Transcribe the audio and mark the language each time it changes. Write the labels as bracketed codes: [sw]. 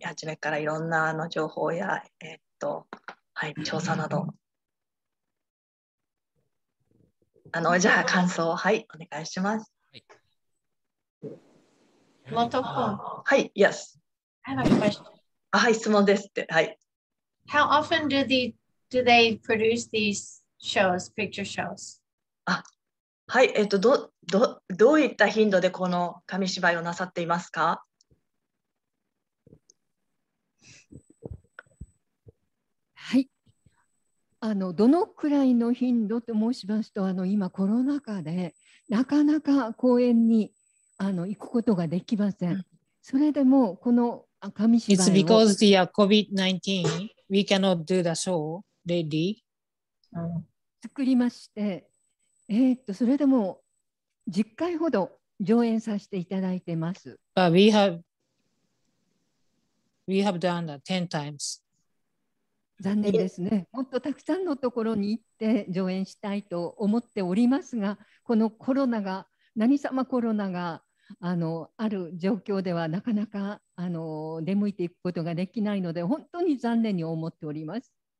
[ja] 初めからいろんな情報や、はい、調査など。じゃあ感想、はい、お願いします。モトコ、はい、 [en] Yes. I have a question. [ja] はい、質問ですって、はい。 [en] How often do they produce these shows, picture shows? [ja] はい、どういった頻度でこの紙芝居をなさっていますか。はい、どのくらいの頻度と申しますと、今コロナ禍でなかなか公演に行くことができません。それでもこの紙芝居を、 [en] It's because the COVID-19 we cannot do the show ready. [ja] 作りまして、それでも10回ほど上演させていただいてます。 [en] But we have done that 10 times. [ja] 残念ですね。もっとたくさんのところに行って上演したいと思っておりますが、このコロナが、何様コロナがある状況ではなかなか出向いていくことができないので、本当に残念に思っております。